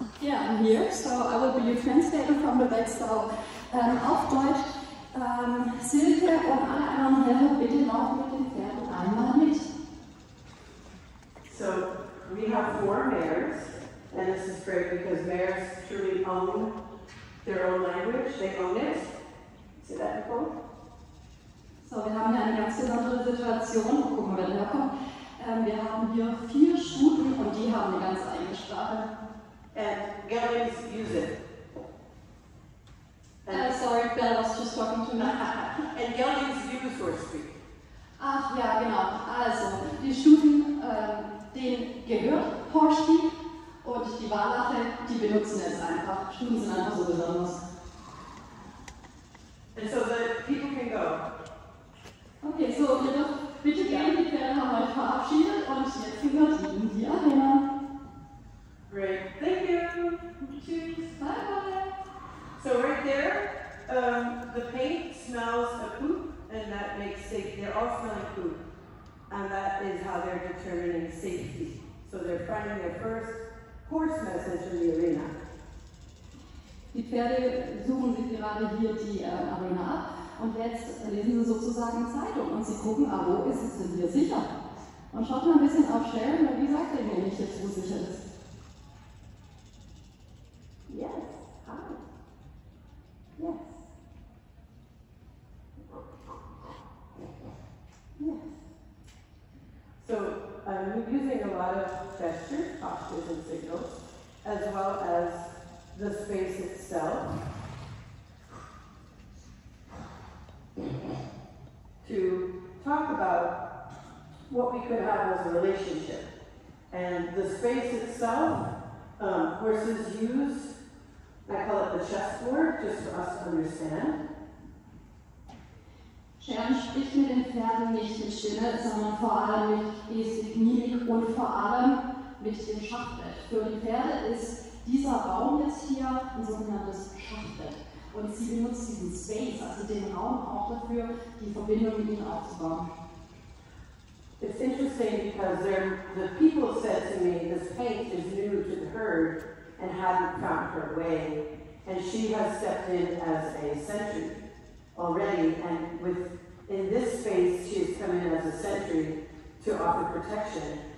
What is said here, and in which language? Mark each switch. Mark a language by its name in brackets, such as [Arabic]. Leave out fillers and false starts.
[English] Yeah, I'm here, so I will be your translator from the back. [German] So, auf Deutsch, Silke und Anna, bitte laufen mit den Pferden einmal mit. [English] So, we have four mares, and this is great because mares truly own their own language, they own it. Say that, Nicole. [German] So, wir haben hier eine ganz besondere Situation. Gucken wir mal, wir haben hier vier Stuten und die haben eine ganz eigene Sprache. [English] And gellies use it. Sorry, Bell was just talking to me. And gellies use horse speak. [German] Ach ja, genau. Also, die Stuten, denen gehört horse speak und die Wallache, die benutzen es einfach. Stuten sind einfach so besonders. And so the people can go. Okay, so bitte, bitte gehen, die Pferde haben euch verabschiedet und jetzt gehört Ihnen die Arena. [English] Great, thank you. Tschüss. Bye bye. So right there, the paint smells of poop and that makes safety. They're all smelling poop. And that is how they're determining safety. So they're finding their first horse message in the arena. [German] Die Pferde suchen sich gerade hier die Arena ab. Und jetzt lesen sie sozusagen Zeitung und sie gucken, ah, wo ist es denn hier sicher? Und schaut mal ein bisschen auf Sharon, wie sagt ihr denn nicht jetzt, wo sicher ist? [English] Yes, hi. Yes. Yes. So, we're using a lot of gestures, postures and signals, as well as the space itself. To talk about what we could have as a relationship. And the space itself, horses use, I call it the chessboard, just for us to understand. [German] Sharon spricht mit den Pferden nicht mit Stimme, sondern vor allem mit Gestik, Mimik und vor allem mit dem Schachbrett. Für die Pferde ist dieser Raum jetzt hier ein sogenanntes Schachbrett. Und sie benutzt diesen Space, also den Raum auch dafür, die Verbindung mit ihnen aufzubauen. [English] It's interesting because the people said to me, this paint is new to the herd and hadn't found her way. And she has stepped in as a sentry already. And in this space, she has come in as a sentry to offer protection.